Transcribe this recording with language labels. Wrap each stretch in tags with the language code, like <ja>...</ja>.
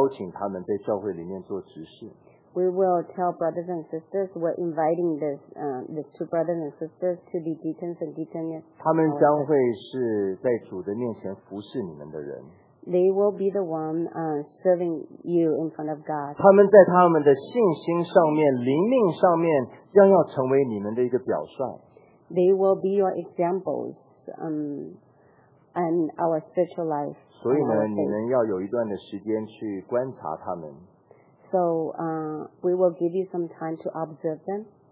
<zh>我们就跟弟兄姐妹们说，现在我们有这两位弟兄姐妹，我们要邀请他们在教会里面做执事。</zh> <en>We will tell brothers and sisters, we're inviting the two brothers and sisters to be deacons and deaconess.</en> <zh>他们将会是在主的面前服侍你们的人。</zh> <en>They will be the one serving you in front of God.</en> <zh>他们在他们的信心上面、灵命上面将要成为你们的一个表率。</zh> <en>They will be your examples and our spiritual life.</en> <zh>所以呢，你们要有一段的时间去观察他们。</zh> <en>So we will give you some time to observe them.</en>